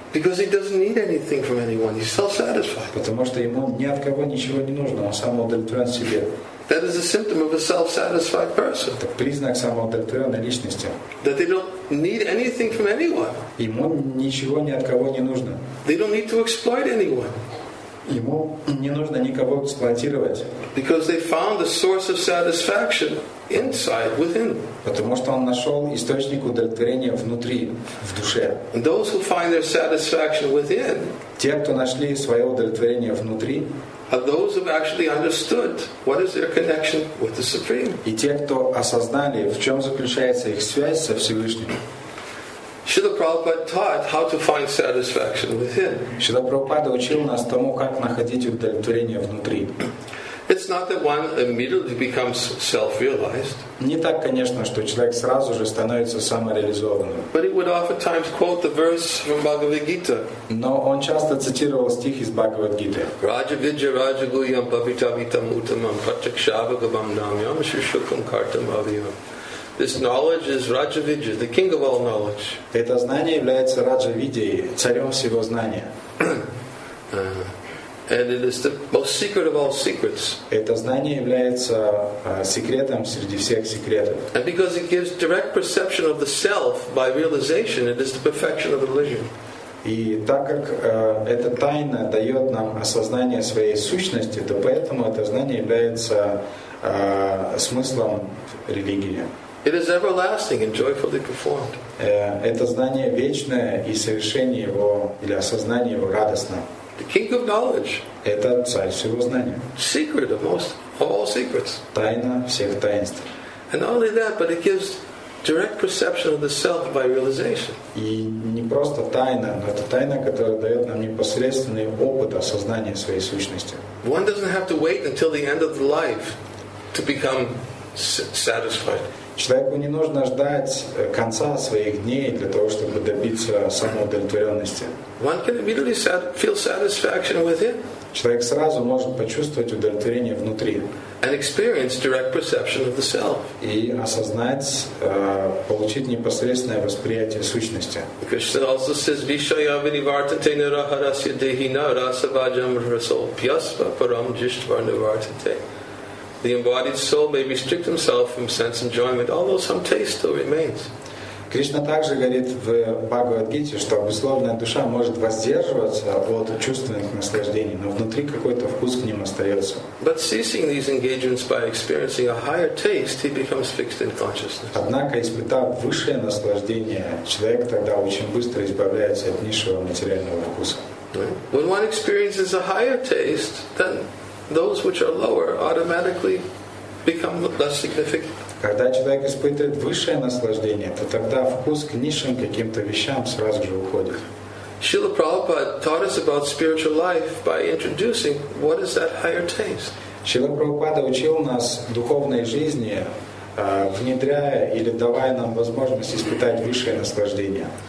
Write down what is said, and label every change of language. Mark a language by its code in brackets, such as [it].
[en] Because he doesn't need anything from anyone. He's self-satisfied. [ru] Потому что ему ни от кого ничего не нужно, он самоудовлетворен себе. [en] That is a symptom of a self-satisfied person. [ru] Это признак самоудовлетворенной личности. [en] That they don't need anything from anyone. [ru] Ему ничего ни от кого не нужно. [en] They don't need to exploit anyone. [ru] Ему не нужно никого эксплуатировать. [en] Because they found the source of satisfaction inside, within. [ru] Потому что он нашел источник удовлетворения внутри, в душе. [en] And those who find their satisfaction within, [ru] те, кто нашли свое удовлетворение внутри, [en] are those who have actually understood what is their connection with the Supreme. [ru] И те, кто осознали, в чем заключается их связь со Всевышним. [en] Шрила Прабхупада taught how to find satisfaction within. [ru] Шрила Прабхупада учил нас тому, как находить удовлетворение внутри. [en] It's not that one immediately becomes self-realized. [ru] Не так, конечно, что человек сразу же становится самореализованным. [en] But he would oftentimes quote the verse from Bhagavad Gita. [ru] Но он часто цитировал стих из Бхагавад Гиты. [sa] Raja vidya raja guhyam pavita vitam uttamam pratyakshava gavam namyam shushukam kartam avyam. [en] This knowledge is Raja Vidya, the king of all knowledge. [ru] Это знание является Раджа Видьей, царем всего знания. [en] And it is the most secret of all secrets. [ru] Это знание является секретом среди всех секретов. [en] And because it gives direct perception of the self by realization, it is the perfection of illusion. [ru] И так как эта тайна дает нам осознание своей сущности, то поэтому это знание является смыслом религии. [en] It is everlasting and joyfully performed. [ru] Это знание вечное, и совершение его или осознание его радостно. [en] The king of knowledge. [ru] Это царь всего знания. [en] Secret of most of all secrets. [ru] Тайна всех таинств. [en] And not only that, but it gives direct perception of the self by realization. [ru] И не просто тайна, но это тайна, которая дает нам непосредственный опыт осознания своей сущности. [en] One doesn't have to wait until the end of the life to become satisfied. [ru] Человеку не нужно ждать конца своих дней для того, чтобы добиться самоудовлетворенности. [en] One can immediately feel satisfaction within. [ru] Человек сразу может почувствовать удовлетворение внутри. [en] And experience direct perception of the self. [ru] И осознать, получить непосредственное восприятие сущности. [en] Krishna also says, [sa] Vishaya vinivartate naraharasya dehina rasavajam rasol pyasva param jishtvar nivartate. [en] The embodied soul may restrict himself from sense enjoyment, although some taste still remains. [ru] Кришна также говорит в Бхагавад-гите, что обусловленная душа может воздерживаться от чувственных наслаждений, но внутри какой-то вкус к ним остается. [en] But ceasing these engagements by experiencing a higher taste, he becomes fixed in consciousness. [ru] Однако, испытав высшее наслаждение, человек тогда очень быстро избавляется от низшего материального вкуса. [en] When one experiences a higher taste, then those which are lower automatically become less significant. [ru] Когда человек испытывает высшее наслаждение, то тогда вкус к низшим каким-то вещам сразу же уходит. [en] Шрила Прабхупада taught us about spiritual life by introducing what is that higher taste. [ru] Шрила Прабхупада учил нас духовной жизни, внедряя или давая нам возможность испытать высшее наслаждение.